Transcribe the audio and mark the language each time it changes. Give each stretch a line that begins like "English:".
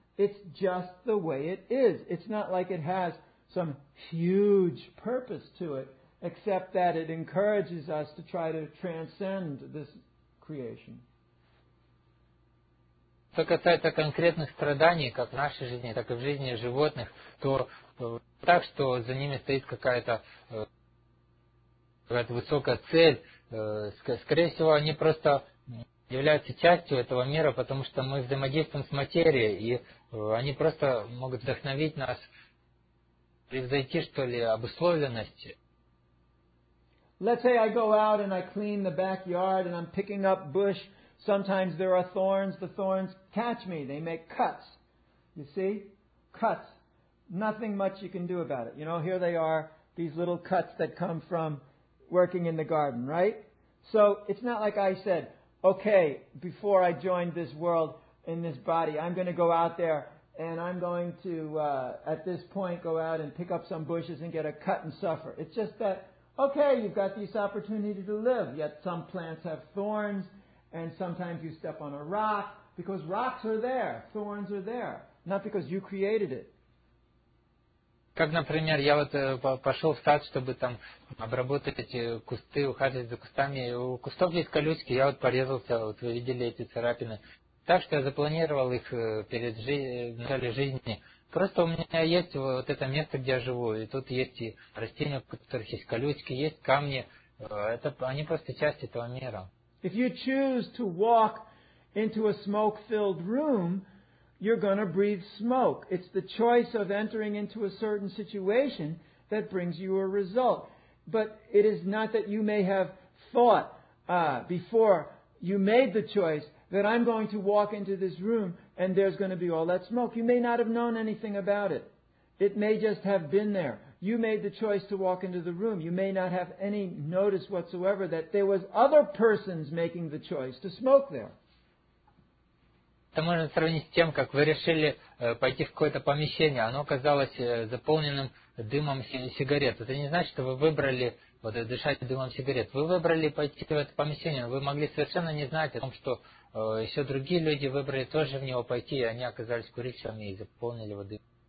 English: It's just the way it is. It's not like it has some huge purpose to it, except that it encourages us to try to transcend this creation.
Russian: Что касается конкретных страданий, как в нашей жизни, так и в жизни животных, то так, что за ними стоит какая-то высокая цель, скорее всего, они просто являются частью этого мира, потому что мы взаимодействуем с материей, и они просто могут вдохновить нас, превзойти, что ли, обусловленности.
English: Let's say I go out and I clean the backyard and I'm picking up bush. Sometimes there are thorns. The thorns catch me. They make cuts. You see? Cuts. Nothing much you can do about it. You know, here they are, these little cuts that come from working in the garden, right? So it's not like I said, okay, before I joined this world, in this body. I'm going to go out there and I'm going to, at this point, go out and pick up some bushes and get a cut and suffer. It's just that, okay, you've got this opportunity to live, yet some plants have thorns and sometimes you step on a rock because rocks are there, thorns are there, not because you created it.
Russian: Как, например, я вот пошел в сад, чтобы там обработать эти кусты, ухаживать за кустами. У кустов есть колючки, я вот порезался, вот вы видели эти царапины. Так что я запланировал их перед начале жизни. Просто у меня есть вот это место, где я живу, и тут есть и растения, у которых есть колючки, есть камни. Это, они просто часть этого мира.
English: If you choose to walk into a smoke-filled room, you're going to breathe smoke. It's the choice of entering into a certain situation that brings you a result. But it is not that you may have thought before you made the choice that I'm going to walk into this room and there's going to be all that smoke. You may not have known anything about it. It may just have been there. You made the choice to walk into the room. You may not have any notice whatsoever that there was other persons making the choice to smoke there.
Russian: Это можно сравнить с тем, как вы решили пойти в какое-то помещение, оно оказалось заполненным дымом сигарет. Это не значит, что вы выбрали вот, дышать дымом сигарет. Вы выбрали пойти в это помещение, но вы могли совершенно не знать о том, что еще другие люди выбрали тоже в него пойти, и они оказались курильщиками и заполнили его дымом.